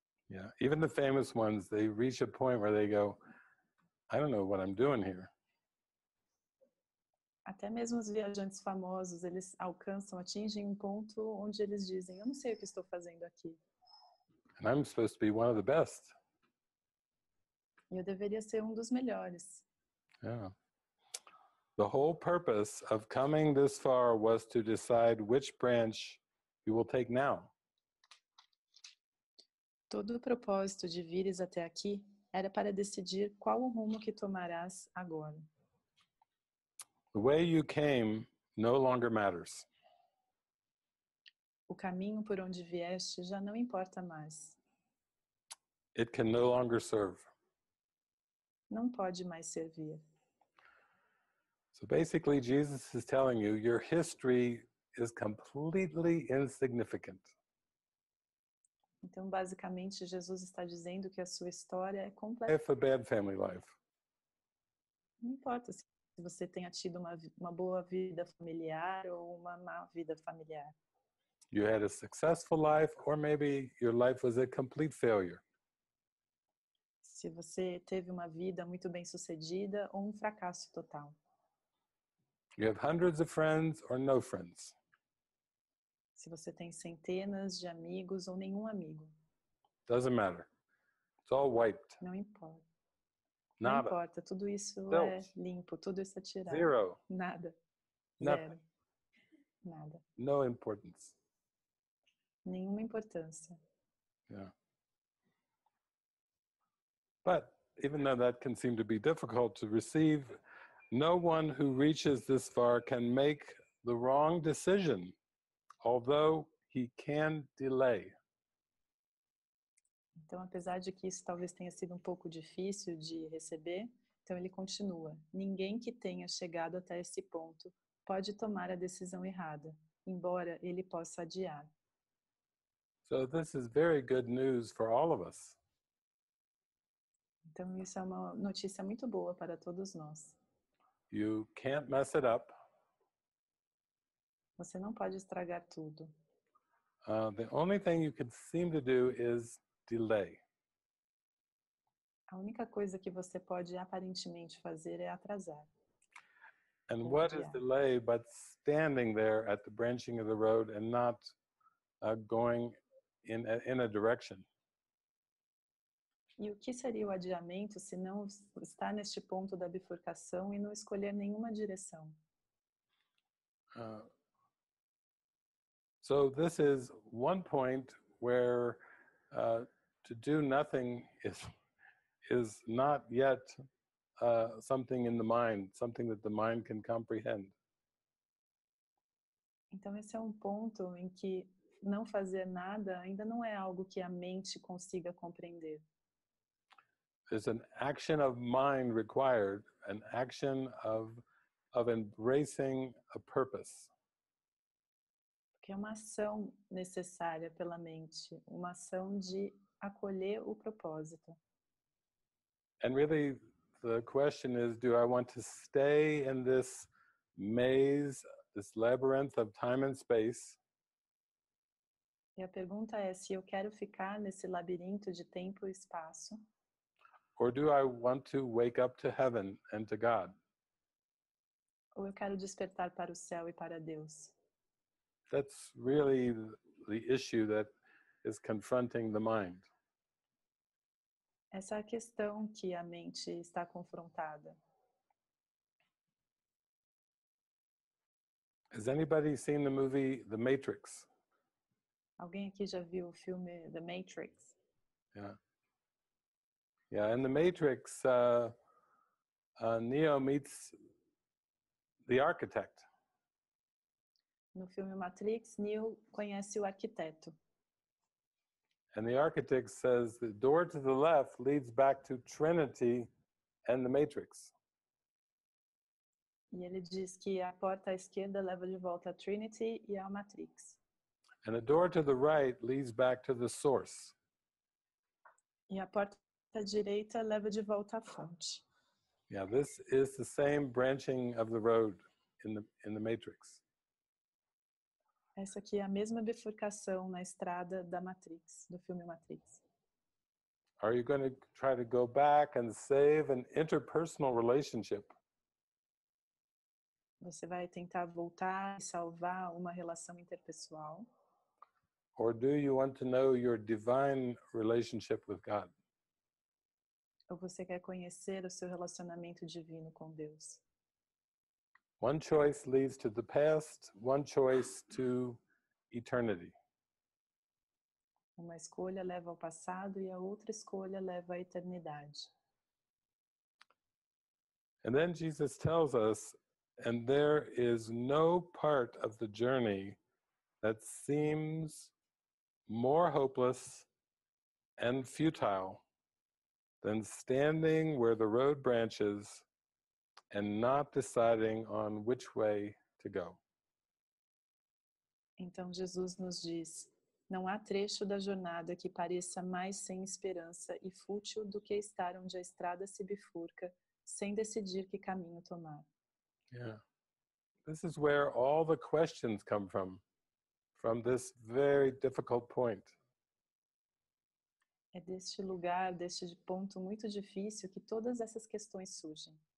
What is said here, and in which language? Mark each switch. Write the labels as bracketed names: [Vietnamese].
[English] Yeah, even the famous ones, they reach a point where they go, I don't know what I'm doing here. [Portuguese] Até mesmo os viajantes famosos, eles alcançam, atingem um ponto onde eles dizem, eu não sei o que estou fazendo aqui. [English] And I'm supposed to be one of the best. [Portuguese] E eu deveria ser um dos melhores. [English] Yeah. The whole purpose of coming this far was to decide which branch you will take now. [Portuguese] Todo o propósito de vires até aqui era para decidir qual o rumo que tomarás agora. [English] The way you came no longer matters. [Portuguese] O caminho por onde vieste já não importa mais. [English] It can no longer serve. [Portuguese] Não pode mais servir. [English] So basically, Jesus is telling you, your history is completely insignificant. [Portuguese] Então, basicamente, Jesus está dizendo que a sua história é completa. [English] If a bad family life. [Portuguese] Não importa se você tenha tido uma boa vida familiar ou uma má vida familiar. [English] You had a successful life, or maybe your life was a complete failure. [Portuguese] Se você teve uma vida muito bem-sucedida ou um fracasso total. [English] You have hundreds of friends or no friends. [Portuguese] Se você tem centenas de amigos ou nenhum amigo. [English] Doesn't matter. It's all wiped. [Portuguese] Não importa. Nada. Não importa. Tudo isso Built. É limpo. Tudo isso é tirado. Zero. Nada. [English] Nothing. [Portuguese] Zero. Nada. [English] No importance. [Portuguese] Nenhuma importância. [English] Yeah. But even though that can seem to be difficult to receive, no one who reaches this far can make the wrong decision, although he can delay. [Portuguese] Então, apesar de que isso talvez tenha sido um pouco difícil de receber, então ele continua. Ninguém que tenha chegado até esse ponto pode tomar a decisão errada, embora ele possa adiar. [English] So this is very good news for all of us. [Portuguese] Então, isso é uma notícia muito boa para todos nós. [English] You can't mess it up. [Portuguese] Você não pode estragar tudo. [English] The only thing you could seem to do is delay. [Portuguese] A única coisa que você pode aparentemente fazer é atrasar. [English] And what is delay but standing there at the branching of the road and not going in a direction? [Portuguese] E o que seria o adiamento se não estar neste ponto da bifurcação e não escolher nenhuma direção? [English] So this is one point where to do nothing is not yet something in the mind, something that the mind can comprehend. [Portuguese] Então esse é um ponto em que não fazer nada ainda não é algo que a mente consiga compreender. [English] There's an action of mind required, an action of embracing a purpose. [Portuguese] Porque é uma ação necessária pela mente, uma ação de acolher o propósito. [English] And really, the question is, do I want to stay in this maze, this labyrinth of time and space. [Portuguese] E a pergunta é se eu quero ficar nesse labirinto de tempo e espaço. [English] Or do I want to wake up to heaven and to God? [Portuguese] Ou eu quero despertar para o céu e para Deus? [English] That's really the issue that is confronting the mind. [Portuguese] Essa é a questão que a mente está confrontada. [English] Has anybody seen the movie The Matrix? [Portuguese] Alguém aqui já viu o filme The Matrix? [English] Yeah, in The Matrix, Neo meets the architect. [Portuguese] No filme Matrix, Neo conhece o arquiteto. [English] And the architect says the door to the left leads back to Trinity and the Matrix. [Portuguese] E ele diz que a porta à esquerda leva de volta a Trinity e a Matrix. [English] And the door to the right leads back to the source. [Portuguese] E a porta direita leva de volta à fonte. [English] Yeah, this is the same branching of the road in the Matrix. [Portuguese] Essa aqui é a mesma bifurcação na estrada da Matrix, do filme Matrix. [English] Are you going to try to go back and save an interpersonal relationship? [Portuguese] Você vai tentar voltar e salvar uma relação interpessoal? [English] Or do you want to know your divine relationship with God? [Portuguese] Ou você quer conhecer o seu relacionamento divino com Deus? [English] One choice leads to the past, one choice to eternity. [Portuguese] Uma escolha leva ao passado e a outra escolha leva à eternidade. [English] And then Jesus tells us, and there is no part of the journey that seems more hopeless and futile than standing where the road branches and not deciding on which way to go. [Portuguese] Então Jesus nos diz, não há trecho da jornada que pareça mais sem esperança e fútil do que estar onde a estrada se bifurca sem decidir que caminho tomar. [English] Yeah. This is where all the questions come from. From this very difficult point. [Portuguese] É deste lugar, deste ponto muito difícil que todas essas questões surgem.